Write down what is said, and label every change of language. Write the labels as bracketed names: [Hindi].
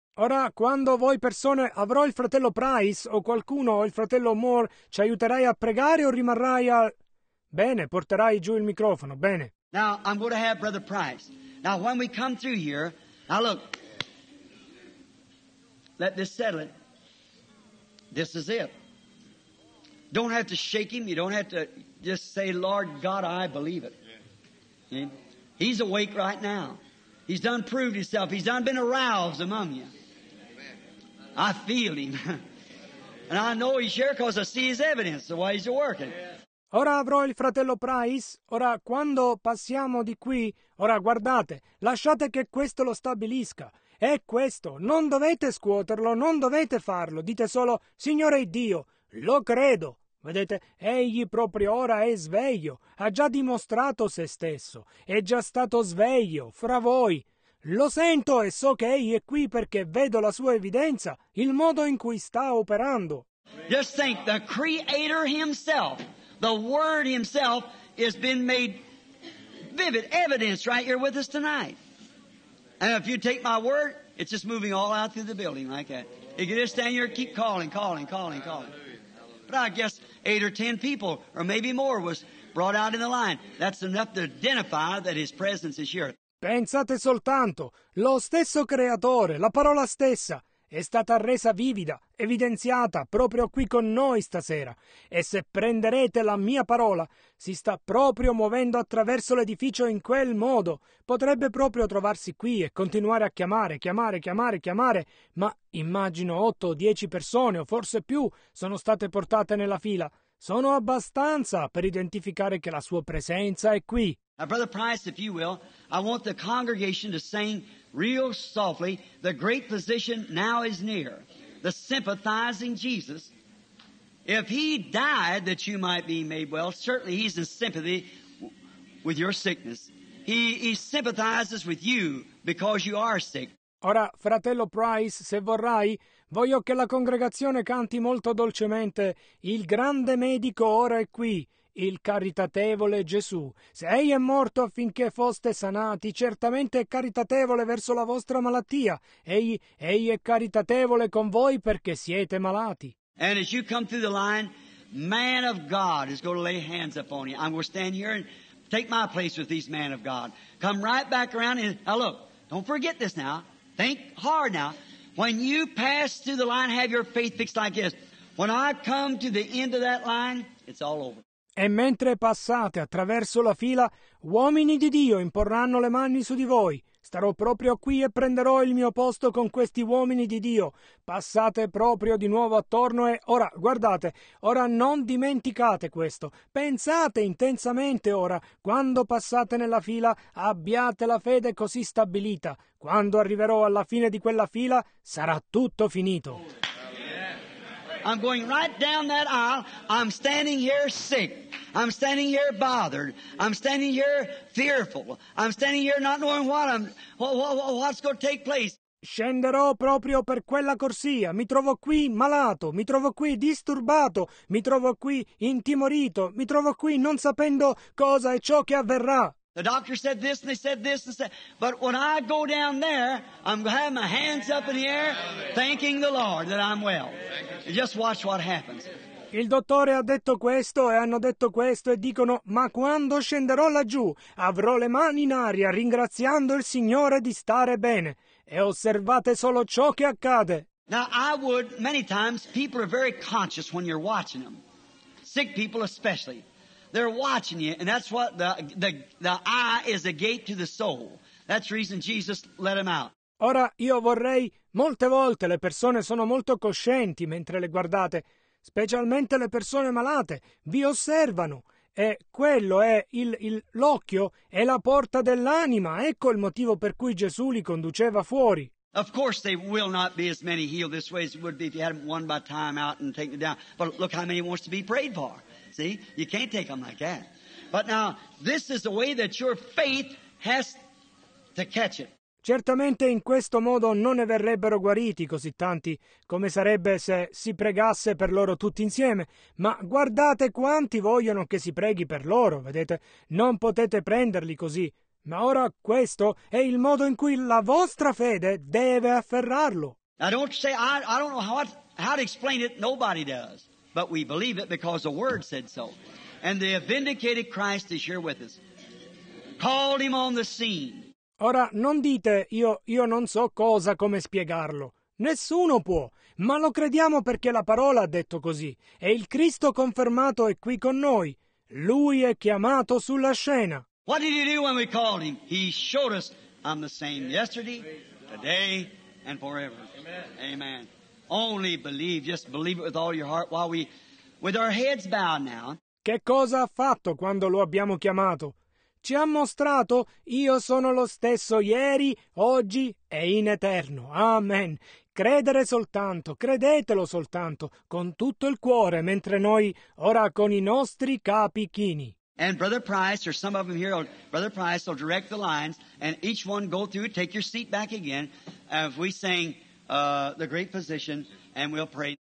[Italian] Ora, quando voi persone avrò il fratello Price o qualcuno o il fratello Moore, ci aiuterai a pregare o rimarrai a... Bene, porterai giù il microfono, bene. [English] Now, I'm going to have Brother Price. Now, when we come through here, now look, let this settle it. This is it. Don't have to shake him, you don't have to just say, Lord God, I believe it. He's awake right now. He's done proved himself, he's done been aroused among you. I feel him. And I know he's here because I see his evidence of why he's working. [Italian] Ora avrò il fratello Price. Ora, quando passiamo di qui, ora guardate, lasciate che questo lo stabilisca. È questo. Non dovete scuoterlo, non dovete farlo. Dite solo, Signore Dio, lo credo. Vedete, egli proprio ora è sveglio. Ha già dimostrato se stesso. È già stato sveglio fra voi. Lo sento e so che egli è qui perché vedo la sua evidenza, il modo in cui sta operando. [English] Just think, the Creator himself, the Word himself, has been made vivid evidence right here with us tonight. And if you take my word, it's just moving all out through the building like that. If you just stand here, keep calling, calling, calling, calling. But I guess 8 or 10 people, or maybe more, was brought out in the line. That's enough to identify that His presence is here. [Italian] Pensate soltanto, lo stesso creatore, la parola stessa, è stata resa vivida, evidenziata proprio qui con noi stasera. E se prenderete la mia parola, si sta proprio muovendo attraverso l'edificio in quel modo. Potrebbe proprio trovarsi qui e continuare a chiamare, chiamare, chiamare, chiamare, ma immagino 8 o 10 persone, o forse più, sono state portate nella fila. Sono abbastanza per identificare che la sua presenza è qui. [English] Now, Brother Price, if you will, I want the congregation to sing real softly, the great physician now is near, the sympathizing Jesus. If He died that you might be made well, certainly He's in sympathy with your sickness. He sympathizes with you because you are sick. [Italian] Ora, fratello Price, se vorrai, voglio che la congregazione canti molto dolcemente «Il grande medico ora è qui». Il caritatevole Gesù, se Egli è morto affinché foste sanati, certamente è caritatevole verso la vostra malattia. Egli è caritatevole con voi perché siete malati. [English] And as you come through the line, man of God is going to lay hands upon you. I'm going to stand here and take my place with these man of God. Come right back around and, now look, don't forget this now. Think hard now. When you pass through the line, have your faith fixed like this. When I come to the end of that line, it's all over. [Italian] E mentre passate attraverso la fila, uomini di Dio imporranno le mani su di voi. Starò proprio qui e prenderò il mio posto con questi uomini di Dio. Passate proprio di nuovo attorno e ora, guardate, ora non dimenticate questo. Pensate intensamente ora, quando passate nella fila, abbiate la fede così stabilita. Quando arriverò alla fine di quella fila, sarà tutto finito. [English] I'm going right down that aisle. I'm standing here sick. I'm standing here bothered. I'm standing here fearful. I'm standing here not knowing what's going to take place. [Italian] Scenderò proprio per quella corsia. Mi trovo qui malato. Mi trovo qui disturbato. Mi trovo qui intimorito. Mi trovo qui non sapendo cosa e ciò che avverrà. [English] The doctor said this and they said this and said, but when I go down there, I'm going to have my hands up in the air, thanking the Lord that I'm well. Just watch what happens. [Italian] Il dottore ha detto questo e hanno detto questo e dicono, ma quando scenderò laggiù, avrò le mani in aria ringraziando il Signore di stare bene. E osservate solo ciò che accade. [English] Now I would, many times, people are very conscious when you're watching them. Sick people especially. They're watching you, and that's what the eye is the gate to the soul. That's the reason Jesus let him out. [Italian] Ora, io vorrei, molte volte le persone sono molto coscienti mentre le guardate, specialmente le persone malate, vi osservano, e quello è l'occhio, è la porta dell'anima, ecco il motivo per cui Gesù li conduceva fuori. [English] Of course they will not be as many healed this way as it would be if you had them one by time out and taken down, but look how many wants to be prayed for. See, you can't take them like that. But now, this is the way that your faith has to catch it. [Italian] Certamente in questo modo non ne verrebbero guariti così tanti come sarebbe se si pregasse per loro tutti insieme. Ma guardate quanti vogliono che si preghi per loro, vedete? Non potete prenderli così. Ma ora questo è il modo in cui la vostra fede deve afferrarlo. [English] I don't know how to explain it. Nobody does. But we believe it because the Word said so. And the vindicated Christ is here with us. Called Him on the scene. [Italian] Ora, non dite, io non so cosa come spiegarlo. Nessuno può. Ma lo crediamo perché la parola ha detto così. E il Cristo confermato è qui con noi. Lui è chiamato sulla scena. [English] What did He do when we called Him? He showed us, I'm the same yesterday, today, and forever. Amen. Amen. Only believe, just believe it with all your heart while with our heads bowed now. [Italian] Che cosa ha fatto quando lo abbiamo chiamato? Ci ha mostrato, io sono lo stesso ieri, oggi e in eterno. Amen. Credere soltanto, credetelo soltanto, con tutto il cuore, mentre noi ora con i nostri capi chini. [English] And Brother Price, or some of them here, Brother Price will direct the lines, and each one go through, take your seat back again, if we sing... the great physician, and we'll pray.